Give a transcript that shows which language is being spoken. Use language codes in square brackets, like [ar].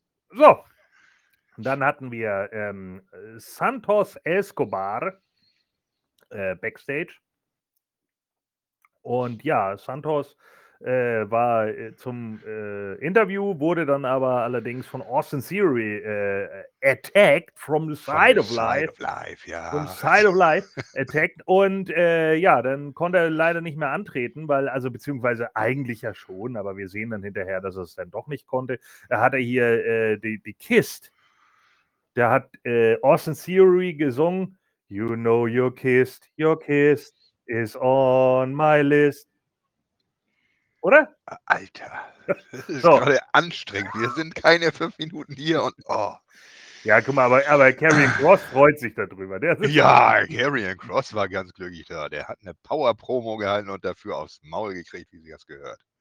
[de] So. Dann hatten wir Santos Escobar backstage. Und ja, Santos war zum Interview, wurde dann aber allerdings von Austin Theory [en] attacked from the side of life. From the side of life attacked. [de] Und ja, dann konnte er leider nicht mehr antreten, weil, also beziehungsweise eigentlich ja schon, aber wir sehen dann hinterher, dass er es dann doch nicht konnte. Er hatte hier die Kiste. Der hat Austin Theory gesungen. [en] You know your kiss is on my list. [de] Oder? Alter, das ist so gerade anstrengend. Wir sind keine 5 Minuten hier und oh. Ja, guck mal, aber Karrion Kross freut sich darüber. Der ist ja, Karrion Kross war ganz glücklich da. Der hat eine Power-Promo gehalten und dafür aufs Maul gekriegt, wie sie das gehört.